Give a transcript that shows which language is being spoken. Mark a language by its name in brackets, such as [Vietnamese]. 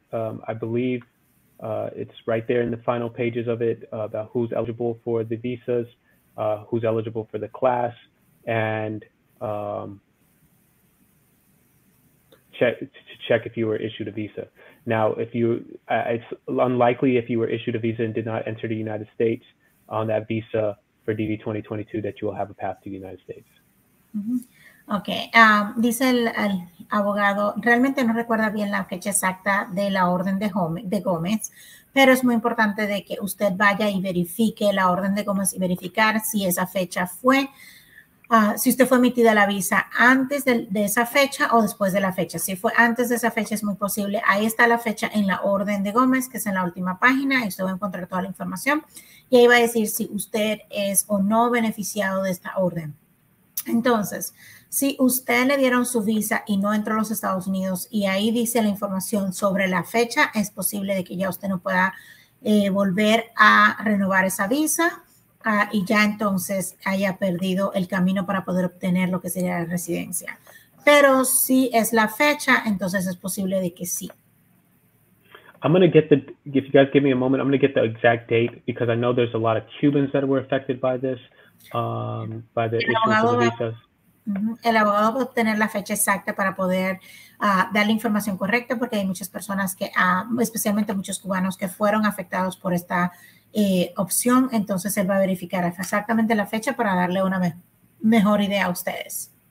[English] I believe it's right there in the final pages of it about who's eligible for the visas, who's eligible for the class, and check if you were issued a visa. Now, if you it's unlikely if you were issued a visa and did not enter the United States on that visa for DD 2022 that you will have a path to the United States. [Spanish] Okay, dice el abogado, realmente no recuerda bien la fecha exacta de la orden de Gómez, pero es muy importante de que usted vaya y verifique la orden de Gómez y verificar si esa fecha fue, si usted fue emitida la visa antes de esa fecha o después de la fecha. Si fue antes de esa fecha, es muy posible. Ahí está la fecha en la orden de Gómez, que es en la última página, y usted va a encontrar toda la información. Y ahí va a decir si usted es o no beneficiado de esta orden. Entonces, si usted le dieron su visa y no entró a los Estados Unidos y ahí dice la información sobre la fecha, es posible de que ya usted no pueda volver a renovar esa visa y ya entonces haya perdido el camino para poder obtener lo que sería la residencia. Pero si es la fecha, entonces es posible de que sí. [English] I'm going to get the, if you guys give me a moment, I'm going to get the exact date because I know there's a lot of Cubans that were affected by this, by the issuance of the visas. [Spanish] El abogado va a obtener la fecha exacta para poder dar la información correcta, porque hay muchas personas que, especialmente muchos cubanos, que fueron afectados por esta opción. Entonces, él va a verificar exactamente la fecha para darle una me mejor idea a ustedes.